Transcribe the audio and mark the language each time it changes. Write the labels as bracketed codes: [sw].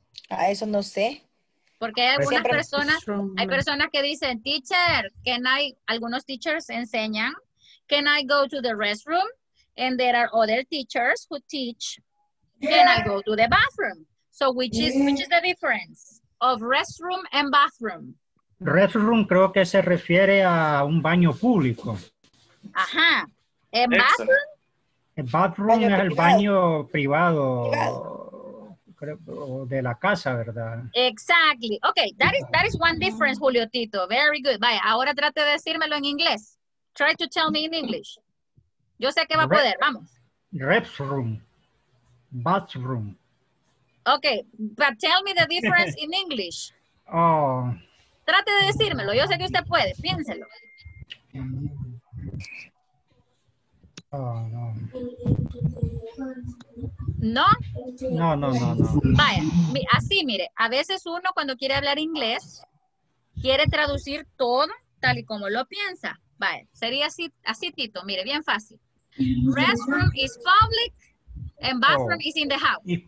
[es] Ah, eso no sé. Porque hay algunas personas, hay personas que dicen, teacher, can I, algunos teachers enseñan, [en] can I go to the restroom? And there are other teachers who teach, can I go to the bathroom? So which is the difference? Of restroom and bathroom. [es] Restroom creo que se refiere a un baño público. Ajá. ¿En bathroom? El bathroom baño es privado. El baño privado, creo, de la casa, ¿verdad? [en] Exactly. Okay, that is one difference, Julio Tito. Very good. [es] Vaya, ahora trate de decírmelo en inglés. [en] Try to tell me in English. [es] Yo sé que va a poder, vamos. [en] Restroom. Bathroom. Okay, but tell me the difference in English. Oh. [es] Trate de decírmelo. Yo sé que usted puede. Piénselo. [en] Oh, no. [es] ¿No? No, no, no, no. Vaya, así mire. A veces uno cuando quiere hablar inglés, quiere traducir todo tal y como lo piensa. Vaya, sería así, así Tito. Mire, bien fácil. [en] Restroom is public and bathroom is in the house.